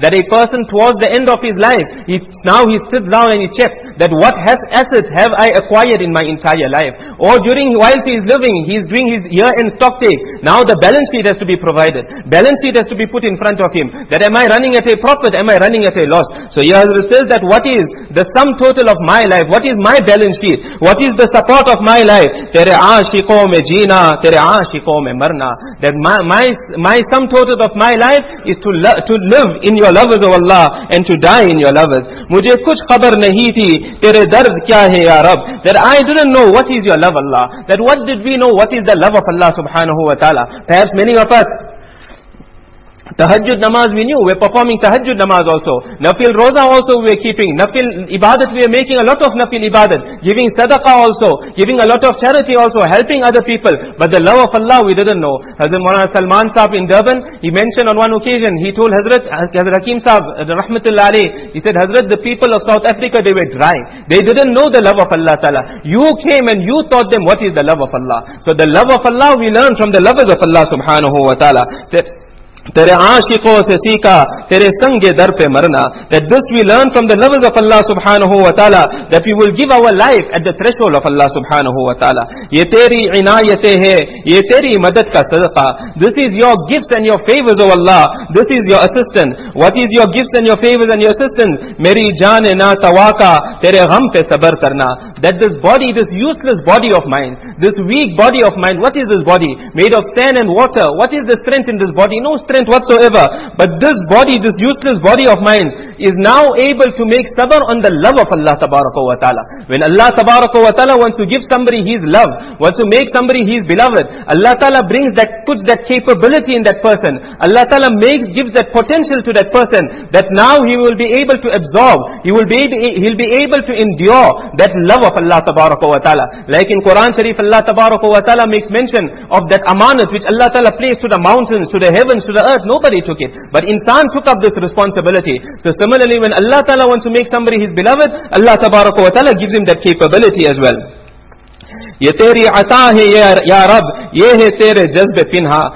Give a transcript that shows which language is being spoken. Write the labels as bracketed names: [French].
[English] That a person towards the end of his life, he sits down and he checks that what assets have I acquired in my entire life? Or during, whilst he is living, he is doing his year end stock take. Now the balance sheet has to be provided. Balance sheet has to be put in front of him. That am I running at a profit? Am I running at a loss? So he says that what is the sum total of my life? What is my balance sheet? What is the support of my life? [Urdu] لائے, تیرے عاشقوں میں جینا, تیرے عاشقوں میں مرنا. [English] That my sum total of my life is to live in your lovers of Allah and to die in your lovers. [Urdu] مجھے کچھ خبر نہیں تھی تیرے درد کیا ہے یا رب. [English] That I didn't know what is your love Allah. That what did we know what is the love of Allah subhanahu wa ta'ala. Perhaps many of us, tahajjud namaz we knew, we were performing tahajjud namaz also, nafil roza also we were keeping, nafil ibadat we were making a lot of nafil ibadat, giving sadaqah also, giving a lot of charity also, helping other people, but the love of Allah we didn't know. Hazrat Maulana Salman Sahab in Durban, he mentioned on one occasion, he told Hazrat Hakim Sahab rahmatullah alayhi, he said, Hazrat, the people of South Africa, they were dry, they didn't know the love of Allah Ta'ala. You came and you taught them what is the love of Allah. So the love of Allah we learn from the lovers of Allah subhanahu wa ta'ala. [Urdu] That تیرے عاشقوں سے سیکھا تیرے سنگ در پہ مرنا. [English] That this we learn from the lovers of Allah subhanahu wa ta'ala, that we will give our life at the threshold of Allah subhanahu wa ta'ala. [Urdu] یہ تیری عنایتیں ہیں, یہ تیری مدد کا صدقہ. [English] This is your gifts and your favors of Allah. This is your assistance. What is your gifts and your favors and your assistance? [Urdu] میری جان نا تواقع تیرے غم پہ صبر کرنا. [English] That this body, this useless body of mine, this weak body of mine, what is this body? Made of sand and water. What is the strength in this body? No strength whatsoever. But this body, this useless body of mine, is now able to make sabr on the love of Allah tabaraka wa ta'ala. When Allah tabaraka wa ta'ala wants to give somebody his love, wants to make somebody his beloved, Allah ta'ala brings that, puts that capability in that person. Allah ta'ala makes, gives that potential to that person, that now he will be able to absorb, he'll be able to endure that love of Allah tabaraka wa ta'ala. Like in Quran Sharif, Allah tabaraka wa ta'ala makes mention of that amanat which Allah ta'ala placed to the mountains, to the heavens, to the earth. Nobody took it, but insan took up this responsibility. So similarly, when Allah Ta'ala wants to make somebody his beloved, Allah Tabaraka wa Ta'ala gives him that capability as well. [Urdu] یہ تیری عطا ہے یا رب, یہ ہے تیرے جذب پنہا.